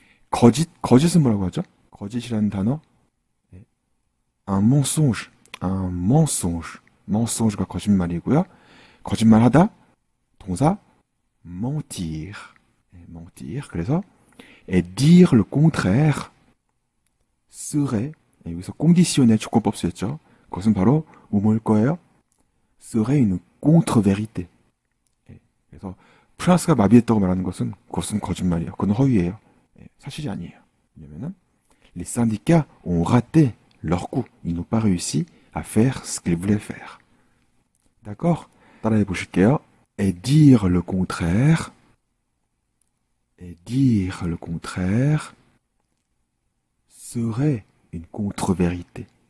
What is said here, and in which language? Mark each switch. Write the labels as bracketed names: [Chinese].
[Korean] 거짓, 거짓은 뭐라고 하죠? 거짓이라는 단어. [French] Un mensonge, un mensonge. [Korean] Mensonge가 거짓말이고요. 거짓말하다. 동사 mentir. Mentir. [French] 그래서 et dire le contraire serait, [Korean] 여기서 conditionnel 조건법 쓰였죠. 그것은 바로 뭐일 거예요? [French] serait une contre-vérité. [Korean] 그래서 프랑스가 마비했다고 말하는 것은 그것은 거짓말이에요. 그건 허위예요. 사실이 아니에요. [French] 왜냐면은 les syndicats ont raté leur coup. Ils n'ont pas réussi à faire ce qu'ils voulaient faire. D'accord? [Korean] 따라해 보실게요. [French] Et dire le contraire. Et dire le contraire serait une contre-vérité.